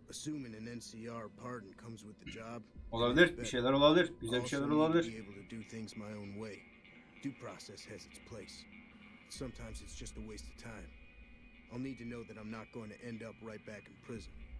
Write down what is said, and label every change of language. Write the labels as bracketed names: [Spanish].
[English] Assuming an NCR pardon comes with the job. [Turkish] Olabilir, bir şeyler olabilir. Güzel bir şeyler olabilir. [English] Be able to do things my own way. Due process has its place. Sometimes it's just a waste of time. I'll need to know that I'm not going to end up right back in prison.